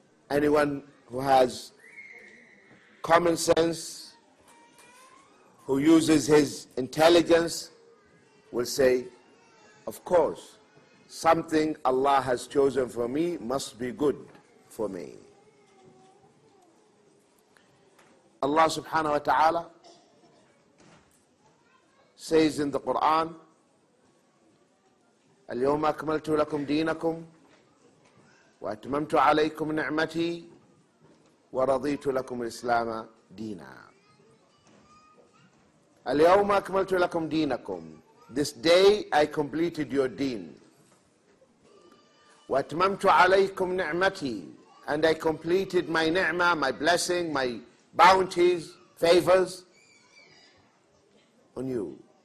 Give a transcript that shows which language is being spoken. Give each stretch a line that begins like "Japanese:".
English: Anyone who has common sense, who uses his intelligence, will say, of course, something Allah has chosen for me must be good for me. Allah subhanahu wa ta'ala says in the Quran,
Arabic: اليوم أكملت لكم دينكم وأتممت عليكم نعمتي ورضيت لكم الإسلام دينا. اليوم أكملت لكم دينكم.
English: This day I completed your deen.
Arabic: وأتممت عليكم نعمتي,
English: and I completed my ni'mah, my blessing, my bounties, favors on you.